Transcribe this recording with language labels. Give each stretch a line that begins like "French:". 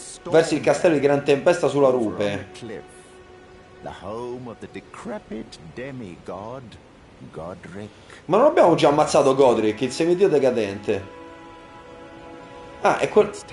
Italian: Verso il castello di Gran Tempesta sulla rupe.
English: The home of the decrepit demigod Godric.
Italian: Ma non abbiamo già ammazzato Godric, il semidio decadente. Ah, è quel.